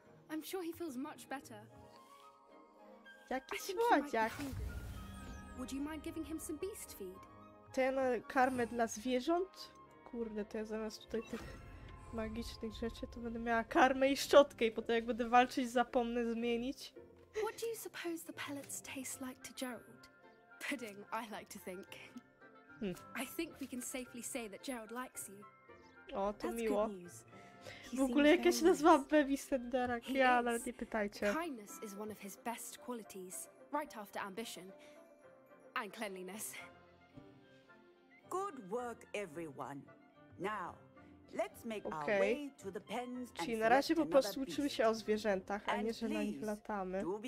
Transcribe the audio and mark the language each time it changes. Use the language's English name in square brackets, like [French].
[English] I'm sure he feels much better. [Polish] Jaki słodziak. [English] Would you mind giving him some beast feed? [Polish] Ten karmę dla zwierząt? kurde, to ja zamiast tutaj tych magicznych rzeczy, to będę miała karmę i szczotkę i potem jak będę walczyć, zapomnę zmienić. [English] What do you suppose the pellets taste like to Gerald? Pudding, I like to think. I think we can safely say that Gerald likes you. [Polish] O, to miło. W ogóle jak ja się nazywam Bevy Senderak, ja nawet nie pytajcie. [English] Kindness is one of his best qualities, right after ambition and cleanliness. Good work, everyone. Now, let's make our way to the pens. [Polish] Czyli na razie po prostu uczymy się o zwierzętach, a nie że na nich latamy.